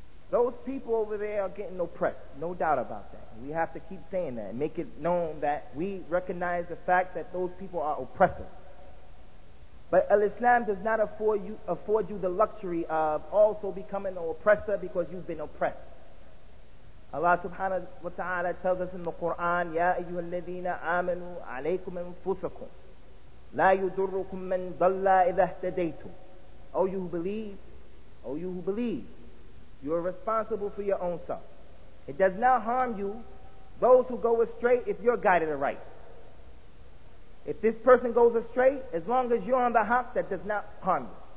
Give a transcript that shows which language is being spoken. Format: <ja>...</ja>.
<en>Those people over there are getting oppressed, no doubt about that. We have to keep saying that and make it known that we recognize the fact that those people are oppressive. But al-Islam does not afford you the luxury of also becoming an oppressor because you've been oppressed. Allah subhanahu wa ta'ala tells us in the Quran,</en> <ar>يَا أَيُّهَا الَّذِينَ آمَنُوا عَلَيْكُمْ أَنفُسَكُمْ لَا يُدُرُّكُمْ مَنْ ضَلَّى إِذَا اهْتَدَيْتُمْ.</ar> <en>O you who believe, you are responsible for your own self. It does not harm you, those who go astray, if you're guided aright. If this person goes astray, as long as you're on the haq, that does not harm you.</en>